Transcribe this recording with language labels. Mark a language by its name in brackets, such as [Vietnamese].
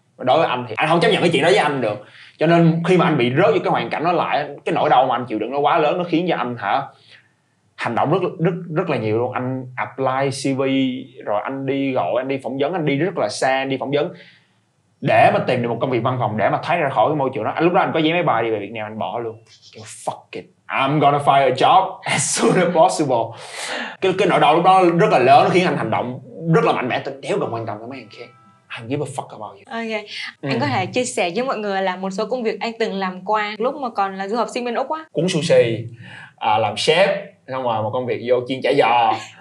[Vietnamese] Đối với anh thì anh không chấp nhận cái chuyện đó với anh được. Cho nên khi mà anh bị rớt vô cái hoàn cảnh đó lại, cái nỗi đau mà anh chịu đựng nó quá lớn, nó khiến cho anh hả hành động rất là nhiều luôn. Anh apply CV, rồi anh đi gọi, anh đi phỏng vấn, anh đi rất là xa, anh đi phỏng vấn để mà tìm được một công việc văn phòng, để mà thoát ra khỏi cái môi trường đó. Lúc đó anh có vé máy bay đi về Việt Nam, anh bỏ luôn. [English] Kiểu fuck it, I'm gonna find a job as soon as possible. [Vietnamese] Cái nỗi đau lúc đó rất là lớn, khiến anh hành động rất là mạnh mẽ, tôi đéo cần quan tâm tới mấy anh khác. [English] I give a fuck about you. [Vietnamese] Ok, anh có thể chia sẻ với mọi người là một số công việc anh từng làm qua lúc mà còn là du học sinh bên Úc á. Cuốn sushi, làm chef, xong rồi một công việc vô chiên chả giò.